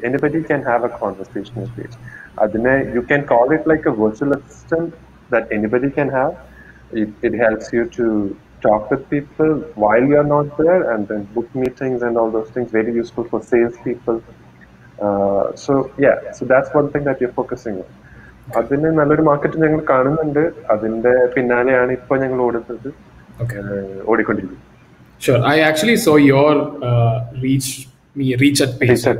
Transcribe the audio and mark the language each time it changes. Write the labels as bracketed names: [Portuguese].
[English] Anybody can have a conversational page. Adine, you can call it like a virtual assistant that anybody can have. It helps you to talk with people while you are not there, and then book meetings and all those things. Very useful for sales people. So that's one thing that you're focusing on. [Malayalam] അതിന് നല്ലൊരു market ഞങ്ങൾ കാണുന്നുണ്ട്. അതിന്റെ പിന്നാലെയാണ് ഇപ്പൊ ഞങ്ങൾ ഓടുന്നത്. ഓടിക്കൊണ്ടിരിക്കുന്നത്. [English] Sure, I actually saw your reach at page.